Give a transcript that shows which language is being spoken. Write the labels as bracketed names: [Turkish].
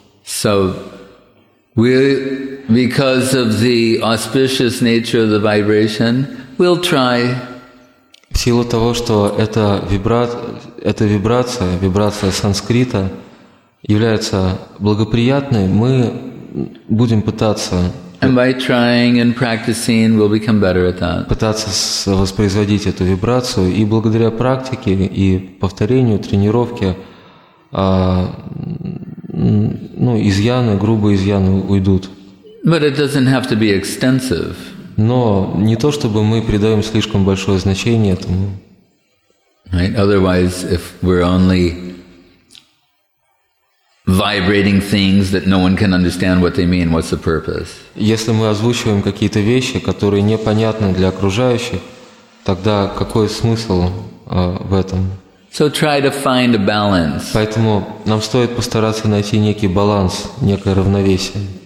[English] So, we, because of the auspicious nature of the vibration, we'll try. [Russian] В силу того, что эта вибрация, вибрация санскрита, является благоприятной, мы будем пытаться. [English] And by trying and practicing, we'll become better at that. [Russian] Пытаться воспроизводить эту вибрацию, и благодаря практике и повторению, тренировке, ну, изъяны, грубые изъяны уйдут. [English] But it doesn't have to be extensive. [Russian] Но не то, чтобы мы придаем слишком большое значение этому. [English] Right? Otherwise, if we're only vibrating things that no one can understand what they mean, what's the purpose? [Russian] Если мы озвучиваем какие-то вещи, которые непонятны для окружающих, тогда какой смысл в этом? [English] So try to find a balance. [Russian] Поэтому нам стоит постараться найти некий баланс, некое равновесие.